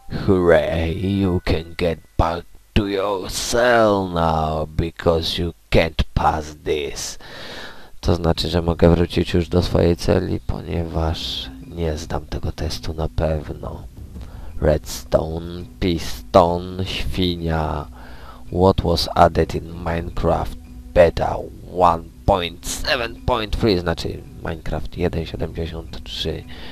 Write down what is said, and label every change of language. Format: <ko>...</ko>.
<en>Hooray, you can get back to your cell now, because you can't pass this.</en> <pl>To znaczy, że mogę wrócić już do swojej celi, ponieważ nie zdam tego testu na pewno. Redstone, piston, świnia.</pl> <en>What was added in Minecraft beta 1.7.3,</en> <pl>znaczy</pl> <en>Minecraft 1.73.</en>